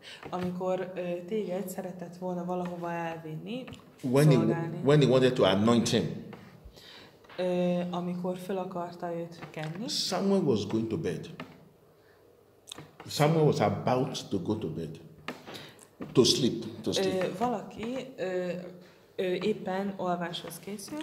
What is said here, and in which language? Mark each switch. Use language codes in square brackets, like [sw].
[hu] Amikor téged szeretett volna valahova elvinni, [en] when he wanted to anoint him. [hu] Amikor föl akarta őt kenni. [en] Samuel was going to bed. Samuel was about to go to bed. To sleep. [hu] Valaki éppen alváshoz készült.